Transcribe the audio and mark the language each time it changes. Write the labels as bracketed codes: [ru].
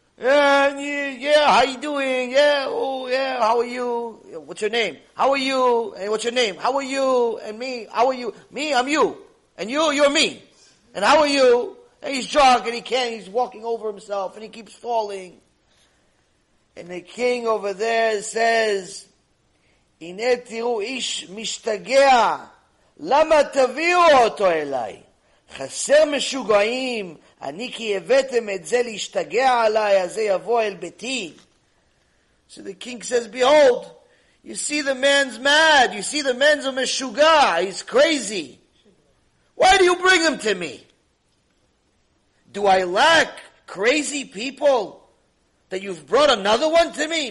[en] Yeah, how you doing? Yeah, oh, yeah, how are you? What's your name? How are you? And what's your name? How are you? And me? How are you? Me, I'm you. And you, you're me. And how are you? And he's drunk and he can't. He's walking over himself and he keeps falling. And the king over there says, [he] הנה תראו איש משתגע, למה תביאו אותו אליי? חסר משוגעים, אני כי הבאתם את זה להשתגע עליי, אז זה יבוא אל ביתי. [en] So the king says, behold, you see the man's mad, you see the man's a משוגע, he's crazy. Why do you bring him to me? Do I lack crazy people that you've brought another one to me?